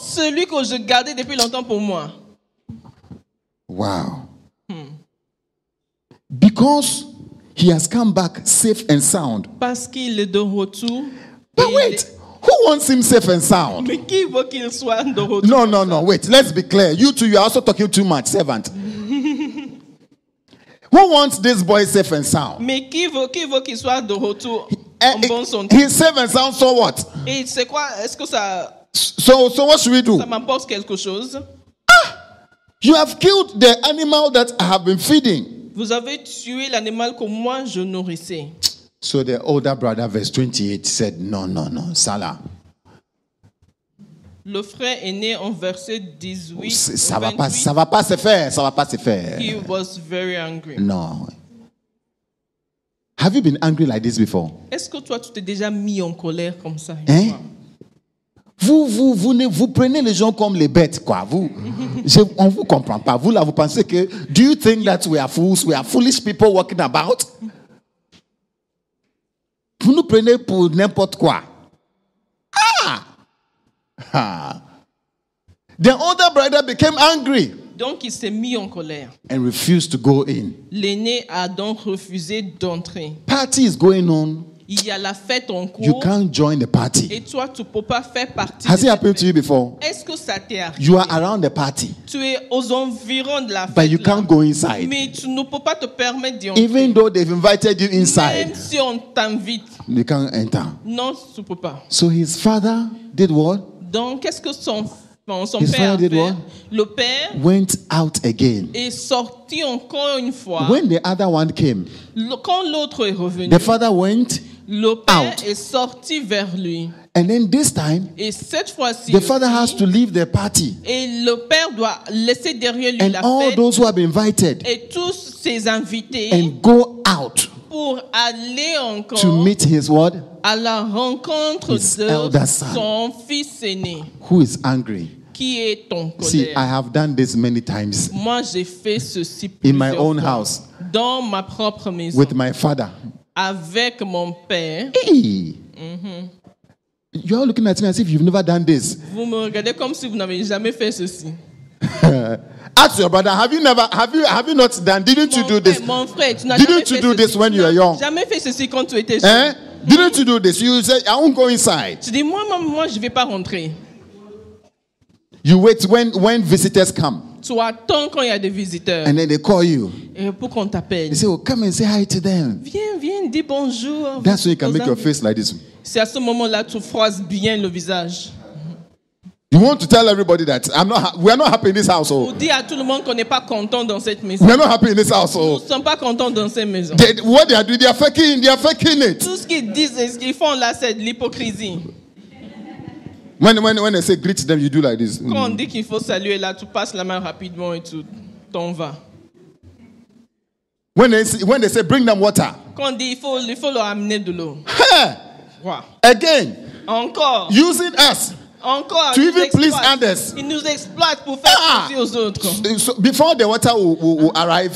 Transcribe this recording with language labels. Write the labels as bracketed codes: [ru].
[fr] Celui que je gardais depuis longtemps pour moi. [en] Wow. Because he has come back safe and sound. [fr] Parce qu'il est de retour. [en] But wait. Who wants him safe and sound? [fr] Mais qui veut qu'il soit de retour? [en] No. Wait. Let's be clear. You two, you are also talking too much. Servant. Who wants this boy safe and sound? [fr] Mais qui veut qu'il soit de retour en bon santé? [en] He's safe and sound, so what? [fr] Et c'est quoi? Est-ce que ça? [en] So what should we do? [fr] Ça m'importe quelque chose. Ah! [en] You have killed the animal that I have been feeding. [fr] Vous avez tué l'animal que moi je nourrissais. [en] So the older brother, verse 28, said, no, Salah. [fr] Le frère est né en verset 18. Ça va pas se faire. [en] He was very angry. No. Have you been angry like this before? [fr] Est-ce que toi tu t'es déjà mis en colère comme ça? Hein? Vous prenez les gens comme les bêtes quoi. On vous comprend pas. Vous là vous pensez que [en] do you think that we are fools? We are foolish people walking about. [fr] Vous nous prenez pour n'importe quoi. Ha. [en] The older brother became angry. [fr] Donc il s'est mis en colère. [en] And refused to go in. [fr] L'aîné a donc refusé d'entrer. [en] Party is going on. [fr] Il y a la fête en cours. [en] You can't join the party. [fr] Et toi, tu peux pas faire partie. [en] Has it happened to you before? [fr] Est-ce que ça t'est arrivé? [en] You are around the party. [fr] Tu es aux environs de la fête. [en] But you can't go inside. [fr] Mais tu ne peux pas te permettre d'y entrer. [en] Even though they've invited you inside. [fr] Même si on t'invite. [en] You can't enter. [fr] Non, tu peux pas. [en] So his father did what? [fr] Donc, qu'est-ce que son père a fait? Le père [en] went out again. [fr] Est sorti encore une fois. [en] When the other one came, [fr] quand l'autre est revenu, [en] the father went [fr] le père [en] out. [fr] Est sorti vers lui. [en] And then this time, [fr] et cette fois-ci, [en] the father has to leave the party. [fr] Et le père doit laisser derrière lui [en] and [fr] la [en] all [fr] fête [en] those who have been invited [fr] et tous ses invités [en] and go out [fr] pour aller encore [en] to meet his what? [fr] À la rencontre [en] his [fr] de [en] elder son, [fr] son fils aîné. [en] Who is angry. [fr] Qui est ton colère? [en] See, I have done this many times. [fr] Moi, j'ai fait ceci [en] in my own fois. House. [fr] Dans ma propre maison. [en] With my father. [fr] Avec mon père. [en] Hey. Mm-hmm. You are looking at me as if you've never done this. [fr] Vous me regardez comme si vous n'avez jamais fait ceci. [en] Ask your brother, have you not done, didn't [fr] mon [en] you do this? [fr] Mon frère, tu n'as [en] didn't you do [fr] ceci. [en] This when you were young? [fr] Jamais fait ceci quand tu étais jeune. [en] Eh? Didn't you do this? You say, I won't go inside. [fr] Tu dis, moi, je ne vais pas rentrer. [en] You wait when visitors come. [fr] Tu attends quand il y a des visiteurs. [en] And then they call you. [fr] Et pour qu'on t'appelle. [en] They say, oh, come and say hi to them. [fr] Viens, dis bonjour. [en] That's when you can make your face like this. [fr] C'est à ce moment-là que tu froisses bien le visage. [en] You want to tell everybody that we are not happy in this household. [fr] Vous dites à tout le monde qu'on n'est pas content dans cette maison. [en] We are not happy in this household. [fr] Nous ne sommes pas contents dans cette maison. [en] What they are doing, they are faking it. [fr] Tout ce qu'ils disent, ils font là, c'est de l'hypocrisie. [en] When I say greet them, you do like this. [fr] Quand on dit qu'il faut saluer là, tu passes la main rapidement et tu t'en vas. [en] When they say bring them water. [fr] Quand on dit il faut leur amener de l'eau. [en] Hey! Wow. Again. [fr] Encore. [en] Using us. [fr] Encore. [en] To even please others. [fr] Il nous exploite pour faire plaisir aux autres. [en] So before the water will arrive.